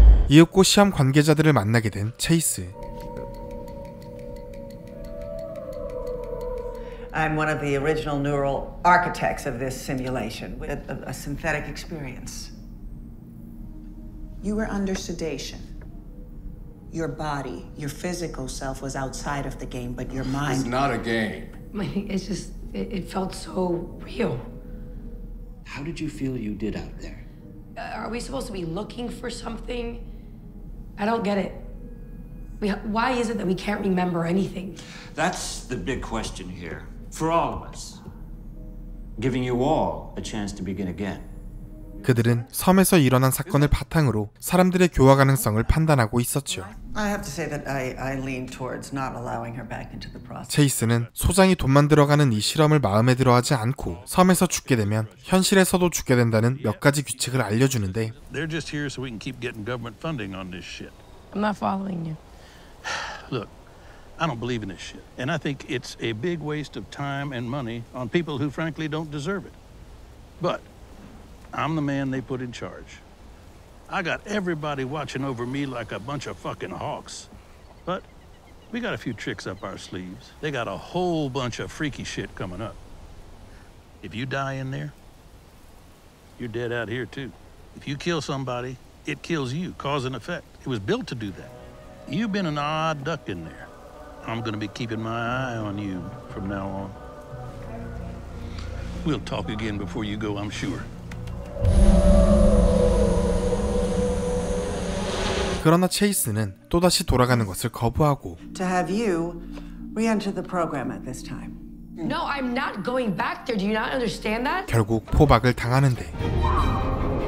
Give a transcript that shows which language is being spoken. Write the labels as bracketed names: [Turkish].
[Korean] 이윽고 시험 관계자들을 만나게 된 체이스. [English] I'm one of the original neural architects of this simulation, a synthetic experience. You were under sedation. Your body, your physical self was outside of the game, but your mind... It's not a game. It's just, it felt so real. How did you feel you did out there? Are we supposed to be looking for something? I don't get it. Why is it that we can't remember anything? That's the big question here. For all of us, giving you all a chance to begin again. [Korean] 그들은 섬에서 일어난 사건을 바탕으로 사람들의 교화 가능성을 판단하고 있었죠. [English] I have to say that I lean towards not allowing her back into the process. [Korean] 체이스는 소장이 돈만 들어가는 이 실험을 마음에 들어하지 않고 섬에서 죽게 되면 현실에서도 죽게 된다는 몇 가지 규칙을 알려주는데. [English] They're just here so we can keep getting government funding on this shit. I'm not following you. Look. I don't believe in this shit. And I think it's a big waste of time and money on people who frankly don't deserve it. But I'm the man they put in charge. I got everybody watching over me like a bunch of fucking hawks. But we got a few tricks up our sleeves. They got a whole bunch of freaky shit coming up. If you die in there, you're dead out here too. If you kill somebody, it kills you, cause and effect. It was built to do that. You've been an odd duck in there. I'm gonna be keeping my eye on you from now on. We'll talk again before you go, I'm sure. [Korean] 그러나 체이스는 또다시 돌아가는 것을 거부하고 [English] To have you re-enter the program at this time. No, I'm not going back there. Do you not understand that? [Korean] 결국 포박을 당하는데